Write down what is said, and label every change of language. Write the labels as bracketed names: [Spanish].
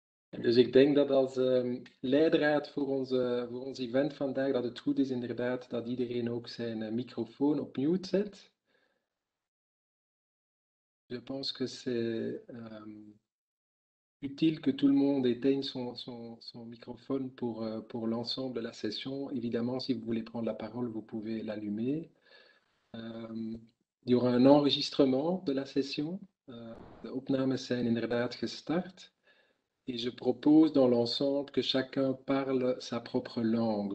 [Dutch] Dus ik denk dat als leidraad voor ons event vandaag, dat het goed is inderdaad dat iedereen ook zijn microfoon op mute zet. [French] Je pense que c'est utile que tout le monde éteigne son microphone pour l'ensemble de la session. Évidemment, si vous voulez prendre la parole, vous pouvez l'allumer. Il y aura un enregistrement de la session. [Dutch] De opnames zijn inderdaad gestart. [French] Et je propose dans l'ensemble que chacun parle sa propre langue.